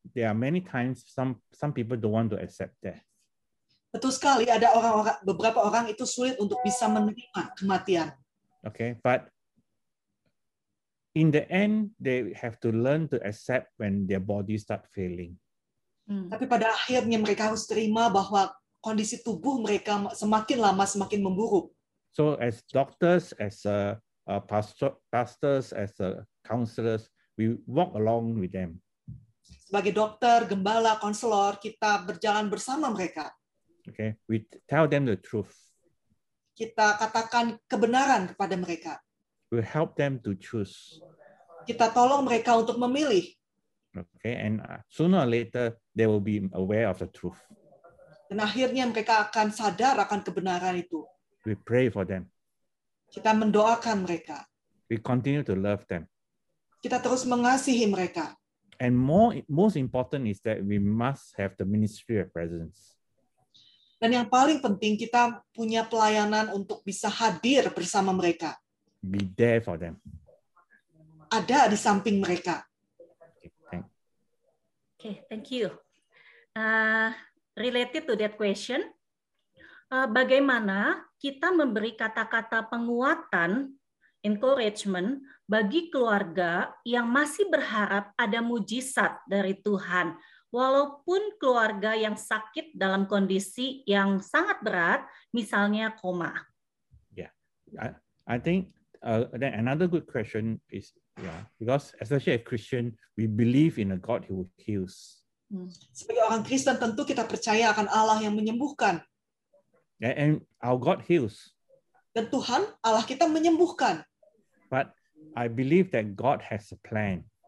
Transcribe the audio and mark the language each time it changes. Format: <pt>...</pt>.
<en>There are many times some people don't want to accept death.</en> <id>Betul sekali, ada orang-orang, beberapa orang itu sulit untuk bisa menerima kematian.</id> <en>Okay, but in the end, they have to learn to accept when their body start failing.</en> <id>Tapi pada akhirnya mereka harus terima bahwa kondisi tubuh mereka semakin lama semakin memburuk.</id> <en>So as doctors, as a pastors, as a counselors, we walk along with them.</en> <id>Sebagai dokter, gembala, konselor, kita berjalan bersama mereka.</id> <en>Okay, we tell them the truth.</en> <id>Kita katakan kebenaran kepada mereka.</id> <en>We help them to choose.</en> <id>Kita tolong mereka untuk memilih.</id> <en>Okay, and sooner or later they will be aware of the truth.</en> <id>Dan akhirnya mereka akan sadar akan kebenaran itu.</id> <en>We pray for them.</en> <id>Kita mendoakan mereka.</id> <en>We continue to love them.</en> <id>Kita terus mengasihi mereka.</id> <en>And most important is that we must have the ministry of presence.</en> <id>Dan yang paling penting kita punya pelayanan untuk bisa hadir bersama mereka.</id> <en>Be there for them.</en> <id>Ada di samping mereka.</id> <en>Okay, thank you. Related to that question,</en> <id>bagaimana kita memberi kata-kata penguatan, encouragement bagi keluarga yang masih berharap ada mujizat dari Tuhan? Walaupun keluarga yang sakit dalam kondisi yang sangat berat, misalnya koma.</id> <en>Yeah, I think another good question is Yeah, because especially as Christian, we believe in a God who heals.</en> <id>Sebagai orang Kristen, tentu kita percaya akan Allah yang menyembuhkan.</id> <en>And our God heals.</en> <id>Dan Tuhan, Allah kita menyembuhkan.</id> <en>But I believe that God has a plan.</en>